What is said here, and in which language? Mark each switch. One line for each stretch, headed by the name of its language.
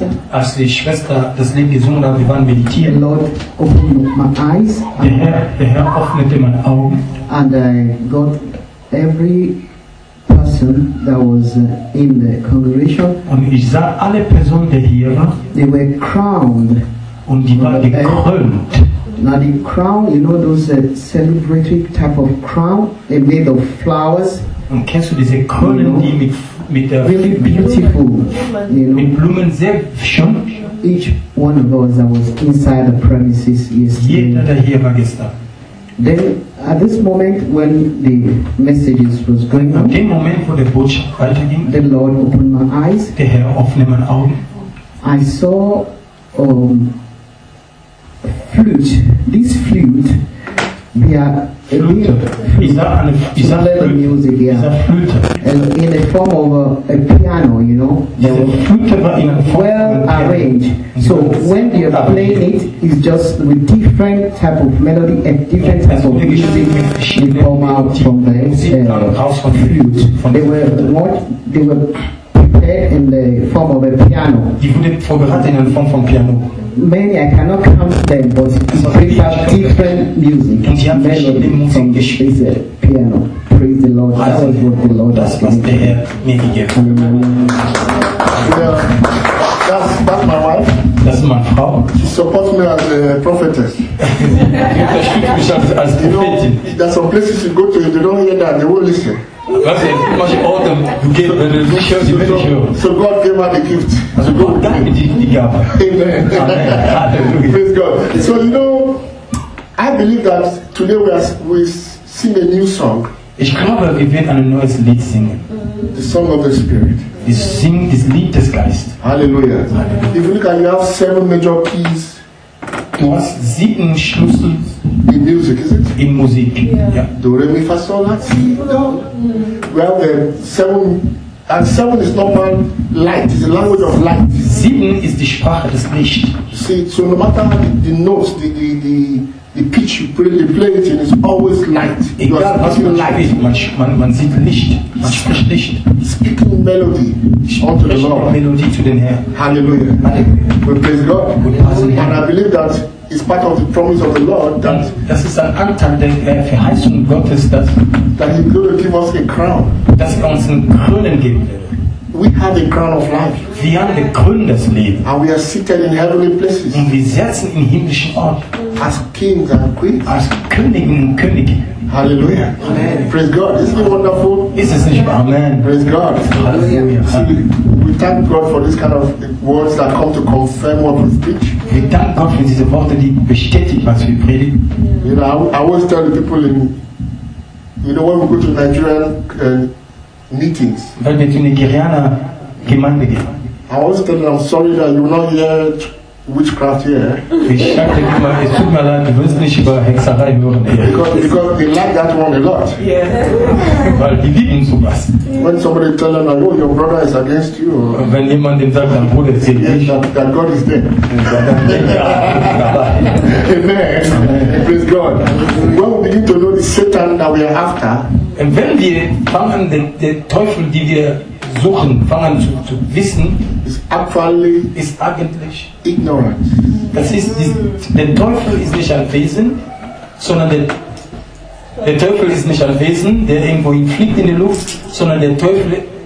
German: Als die Schwester das Lied gesungen hat, wir waren meditieren.
English: Lord, open my eyes.
German: Der Herr öffnete meine Augen.
English: And I got every person that was in the congregation.
German: Und ich sah alle Personen, die hier waren.
English: They were crowned.
German: Und die waren gekrönt.
English: Now the crown, you know those celebratory type of crown, they made of flowers.
German: Und kennst du diese Krönen,
English: you know,
German: die mit der
English: really beautiful, you know,
German: mit Blumen sehr schön.
English: Each one of us that was inside the premises yesterday.
German: Jeder, der hier war gestern.
English: Then, at this moment, when the messages was going on,
German: dem Moment, wo der Botschaft weiterging,
English: the Lord opened my eyes.
German: Der Herr öffnete meine Augen.
English: I saw flute. This flute, we are flute. Is that leather music? Yeah. Is that flute? And in the form of a piano, you know. Is a flute, but in a form well of a arranged. Piano. So when you are playing it, it's just with different type of melody and different type of music. You come out from the flute. They were prepared in the form of a piano.
German: Die wurde vorbereitet in der Form von Piano.
English: many, I cannot count them, but they have different music, melodies, it's a piano. Praise the Lord, that is what the Lord has given me. That's my wife. That's my Frau. She supports me as a prophetess. as you know, there are some places you go to, they don't hear that, they won't listen. So God gave her the gift. So God gave her the gift. Amen. Praise God. So you know, I believe that today we sing a new song.
German: Ich glaube, wir werden ein neues Lied singen.
English: The song of the Spirit.
German: Wir singen das Lied des Geistes.
English: Halleluja. If you look at, you have seven major keys.
German: Du hast sieben Schlüssel.
English: In music, is it?
German: In Musik. Do, re, mi, fa, sol, la, si.
English: We have the seven, and seven is not one light, it's the language of light.
German: Sieben ist die Sprache des Licht.
English: See, so no matter the notes, the pitch you play, it in, it's always light.
German: Egal, was für light. Man sieht Licht, man spricht Licht.
English: Speaking melody unto the Lord.
German: Melodie zu den Herrn.
English: Halleluja. We praise God. And I believe that it's part of the promise of the Lord that
German: das ist ein Anteil der Verheißung Gottes, dass
English: that he's going to give us a crown.
German: Dass er uns einen Krönen geben wird.
English: We have a crown of life.
German: Wir haben den Krönen des Lebens.
English: And we are seated in heavenly places.
German: Und wir sitzen in himmlischen Orten.
English: As kings and queens.
German: Als Königen und Könige.
English: Halleluja. Amen. Praise God. Isn't it wonderful?
German: Ist es nicht wahr? Amen.
English: Praise God. Halleluja. We thank God for this kind of words that come to confirm what we preach.
German: Wir danken Gott für diese Worte, die bestätigen, was wir predigen.
English: You know, I always tell the people in, you know, when we go to Nigerian meetings.
German: Wenn wir zu Nigerianer Gemeinde gehen.
English: I always tell them, I'm sorry that you're not yet. Witchcraft here.
German: Ich sagte immer, es tut mir leid, wir müssen nicht über Hexerei hören.
English: Because they like that one a lot. Yeah.
German: Weil die lieben sowas.
English: When somebody tells them, oh, your brother is against you.
German: Wenn jemand dem sagt, dein Bruder ist gegen dich.
English: That God is there. Amen. Praise God. When we begin to know the Satan that we are after.
German: Und wenn wir fangen, den Teufel, den wir suchen, fangen zu wissen, ist eigentlich ignorant. Das ist, der Teufel ist nicht ein Wesen, sondern der Teufel ist nicht ein Wesen, der irgendwo fliegt in die Luft, sondern der Teufel